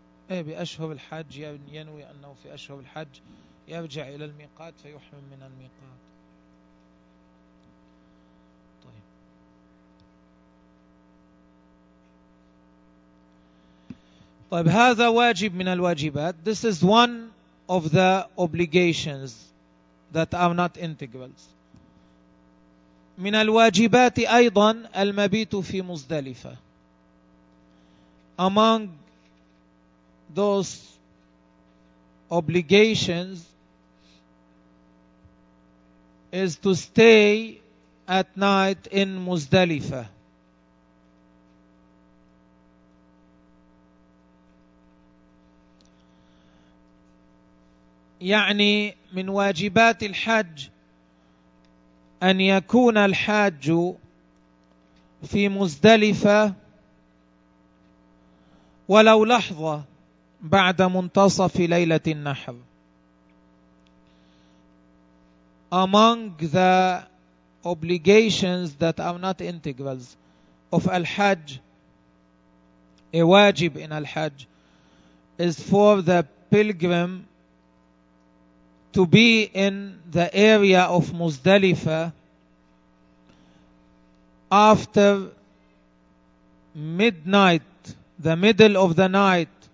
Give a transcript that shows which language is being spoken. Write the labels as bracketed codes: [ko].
[ar] بأشهر الحج ينوي أنه في أشهر الحج يرجع إلى الميقات فيحرم من الميقات. طيب. طيب هذا واجب من الواجبات. [en] This is one of the obligations that are not integrals. [ar] من الواجبات أيضا المبيت في مزدلفة. [en] Among those obligations is to stay at night in Muzdalifa. [ar] يعني من واجبات الحج أن يكون الحاج في مزدلفة ولو لحظة بعد منتصف ليلة النحر. [en] Among the obligations that are not integrals of al-Hajj, a wajib in al-Hajj, is for the pilgrim to be in the area of Muzdalifa after midnight, the middle of the night